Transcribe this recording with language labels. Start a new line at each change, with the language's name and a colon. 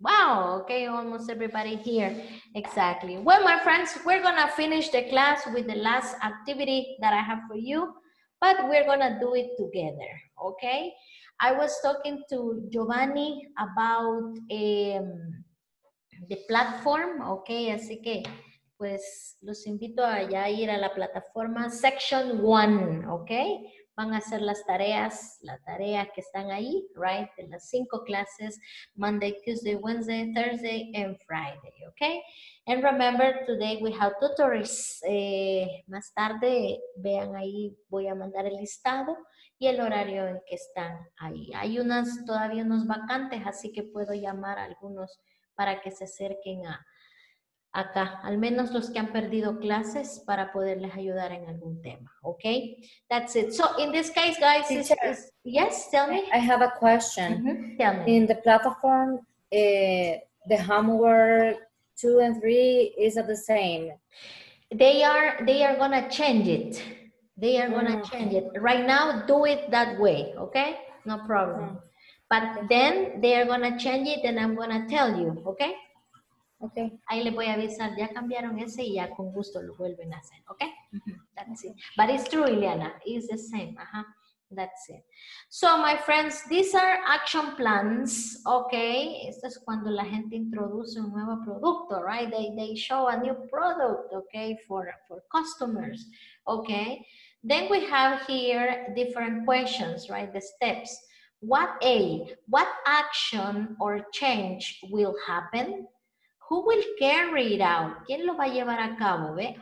English: Wow, okay, almost everybody here. Exactly. Well, my friends, we're gonna finish the class with the last activity that I have for you, but we're gonna do it together, okay? I was talking to Giovanni about the platform, okay?
Spanish: Así que, pues, los invito a ya ir a la plataforma
English: section one,
Spanish: okay? Van a hacer las tareas que están ahí, right? De las 5 clases,
English: Monday, Tuesday, Wednesday, Thursday, and Friday, okay? And remember, today we have tutors.
Spanish: Más tarde, vean ahí, voy a mandar el listado y el horario en que están ahí. Hay unas, todavía unos vacantes, así que puedo llamar a algunos para que se acerquen a acá, al menos los que han perdido clases para poderles ayudar en algún tema, okay?
English: That's it. So, in this case, guys, teacher, yes, tell me. I have a question. Mm-hmm. Tell me. In the platform, the homework 2 and 3 is the same. They are going to change it. They are going to change it. Right now, do it that way, okay? No problem. Mm-hmm. But then they are going to change it and I'm going to tell you, okay? Okay.
Spanish: Ahí le voy a avisar, ya cambiaron ese y ya con gusto lo vuelven a hacer, okay?
English: That's it. But it's true, Ileana, it's the same, That's it. So, my friends, these are action plans, okay?
Spanish: Esto es cuando la gente introduce un nuevo producto, right?
English: They show a new product, okay, for customers, okay? Then we have here different questions, right? The steps. What action or change will happen? Who will carry it out?
Spanish: ¿Quién lo va a llevar a cabo? ¿Eh?